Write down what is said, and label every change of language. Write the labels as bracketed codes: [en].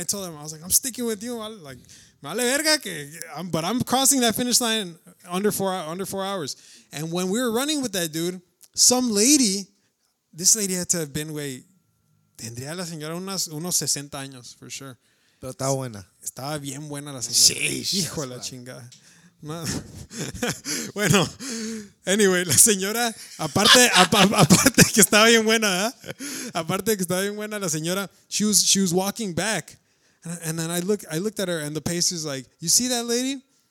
[en] And I told him, I was like, I'm sticking with you. Like, [es] vale verga que, [en] but I'm crossing that finish line under four hours. And when we were running with that dude, some lady, this lady had to have been, güey, [es] tendría la señora unos 60 años [en] for sure. [es] Pero estaba buena. Estaba bien buena la señora. Sheesh. Hijo de la chingada. Bueno, anyway, la señora, aparte que estaba bien buena, ¿eh? Aparte que estaba bien buena, la señora, [en] she was walking back, and then I looked at her, and the pacer's like, you see that lady?